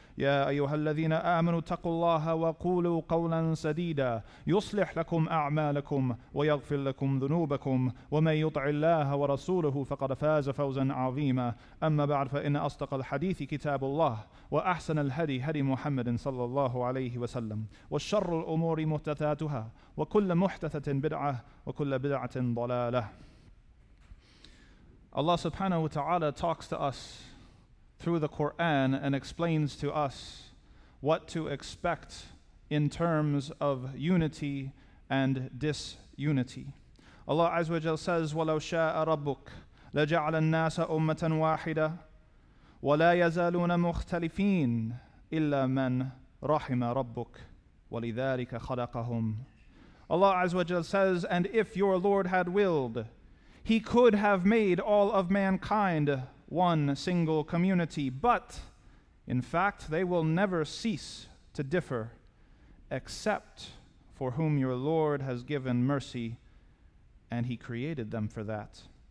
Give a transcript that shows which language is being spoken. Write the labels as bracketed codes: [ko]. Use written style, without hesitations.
[ar] يا أيها الذين آمنوا اتقوا الله وقولوا قولا سديدا يصلح لكم أعمالكم ويغفر لكم ذنوبكم ومن يطع الله ورسوله فقد فاز فوزا عظيما أما بعد فإن أصدق الحديث كتاب الله وأحسن الهدي هدي محمد صلى الله عليه وسلم والشر الأمور محدثاتها وكل محدثة بدعة وكل بدعة ضلالة. [en] Allah subhanahu wa ta'ala talks to us through the Quran and explains to us what to expect in terms of unity and disunity. [ar] Allah Azza wa Jalla says, وَلَوْ شَاءَ رَبُّكَ لَجَعْلَ النَّاسَ أُمَّةً وَاحِدَةً وَلَا يَزَالُونَ مُخْتَلِفِينَ إِلَّا مَنْ رَحِمَ رَبُّكَ وَلِذَٰلِكَ خَلَقَهُمْ. [en] Allah Azza wa Jalla says, and if your Lord had willed, He could have made all of mankind one single community, but in fact they will never cease to differ except for whom your Lord has given mercy and He created them for that.